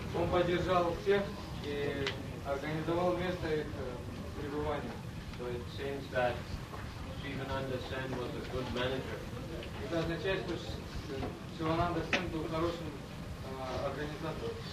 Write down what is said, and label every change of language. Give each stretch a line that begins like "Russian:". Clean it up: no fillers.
Russian: Поддержал всех и организовал место пребывания.
English: So it seems that Shivananda Sen was a good manager.
Russian: Это означает, что Шивананда Сен был хорошим организатором.